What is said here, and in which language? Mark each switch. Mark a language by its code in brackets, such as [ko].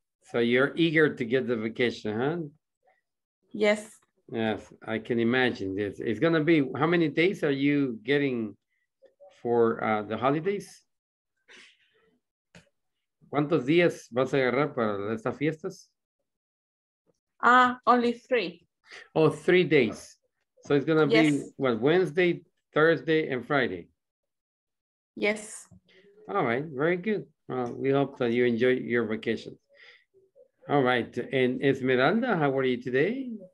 [en] So you're eager to get the vacation, huh? Yes. Yes, I can imagine this. It's going to be, how many days are you getting for the holidays? [es] ¿Cuántos días vas a agarrar para estas fiestas? [en] Only three. Oh, 3 days. So it's going to be, what, Wednesday, Thursday, and Friday? Yes. All right, very good. Well, we hope that you enjoy your vacation. All right, and Esmeralda, how are you today?